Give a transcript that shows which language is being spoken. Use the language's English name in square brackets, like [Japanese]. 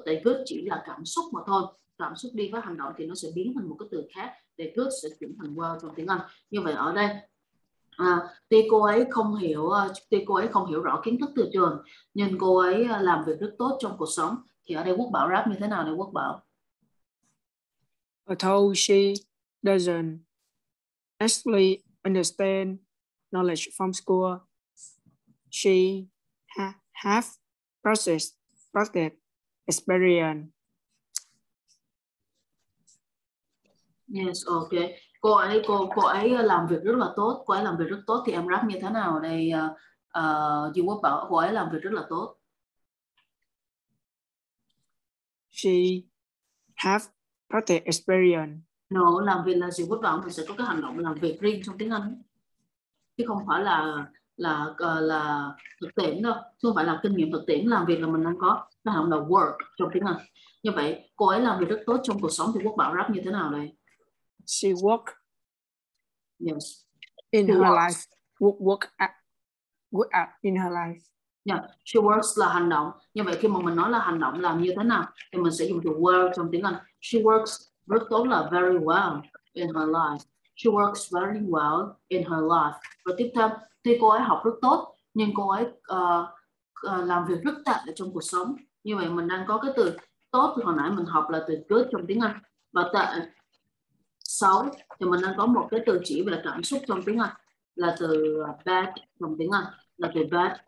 [Vietnamese] Tại good chỉ là cảm xúc mà thôi. Cảm xúc đi với hành động thì nó sẽ biến thành một cái từ khác. Để good sẽ chuyển thành well trong tiếng Anh. Như vậy ở đây tuy cô ấy không hiểu rõ kiến thức từ trường, nhưng cô ấy làm việc rất tốt trong cuộc sống. Thì ở đây Quốc Bảo rap như thế nào này Quốc Bảo? [English] Although she doesn't actually understand knowledge from school, she have practical experience. Yes, okay. [Vietnamese] Cô ấy làm việc rất là tốt. Cô ấy làm việc rất tốt thì em rap như thế nào đây? Dương Quốc Bảo, cô ấy làm việc rất là tốt. [English] She have practical experience. [Vietnamese] No, làm việc là Dương Quốc Bảo mình sẽ có cái hành động làm việc riêng trong tiếng Anh. Chứ không phải là thực tiễn đâu. Chứ không phải là kinh nghiệm thực tiễn. Làm việc là mình đang có cái hành động work trong tiếng Anh. Như vậy, cô ấy làm việc rất tốt trong cuộc sống thì Quốc Bảo rap như thế nào đây? [English] She work. Yes. In she her works. Life. Work at in her life. Yeah. She works [Vietnamese] là hành động. Như vậy khi mà mình nói là hành động làm như thế nào thì mình sẽ dùng từ well trong tiếng Anh. [English] She works [Vietnamese] rất tốt là [English] very well in her life. She works very well in her life. [Vietnamese] Và tiếp theo, thì cô ấy học rất tốt nhưng cô ấy làm việc rất tệ trong cuộc sống. Như vậy mình đang có cái từ tốt thì hồi nãy mình học là từ good trong tiếng Anh và tệ. Sáu thì mình đang có một cái từ chỉ về cảm xúc trong tiếng Anh là từ bad trong tiếng Anh là từ bad.